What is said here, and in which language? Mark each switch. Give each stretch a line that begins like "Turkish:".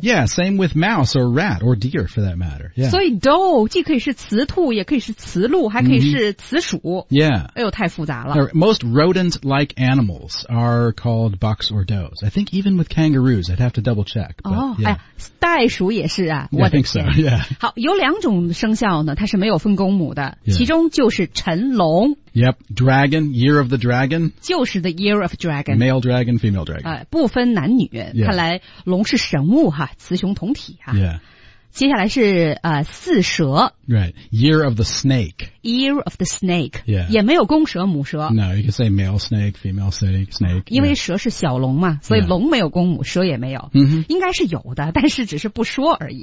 English: Yeah, same with mouse or rat or deer for that matter. Yeah.
Chinese: 所以 doe 既可以是雌兔也可以是雌鹿还可以是雌鼠。
English: Mm-hmm. Yeah.
Chinese: 哎呦太复杂了。
English: Most rodent-like animals are called bucks or does. I think even with kangaroos, I'd have to double check. But, oh, yeah.
Chinese: 哎呀袋鼠也是啊。
English: Yeah, I think so, yeah.
Chinese: 好有两种生肖呢它是没有分公母的、
English: yeah.
Chinese: 其中就是辰龙。
English: Yep, dragon, year of the dragon.
Chinese: 就是
English: the year of dragon. Male dragon, female dragon.
Chinese: 不分男女、
English: yeah.
Chinese: 看来龙是神物哈雌雄同体哈。
English: Yeah.
Chinese: 接下来是四蛇。
English: Right, year of the snake. Year of the snake. Yeah.
Chinese: 也没有公蛇母蛇。
English: No, you can say male snake, female snake.
Chinese: 因为蛇是小龙嘛所以龙没有公母蛇也没有。 Mm-hmm. 应该是有的但是只是不说而已。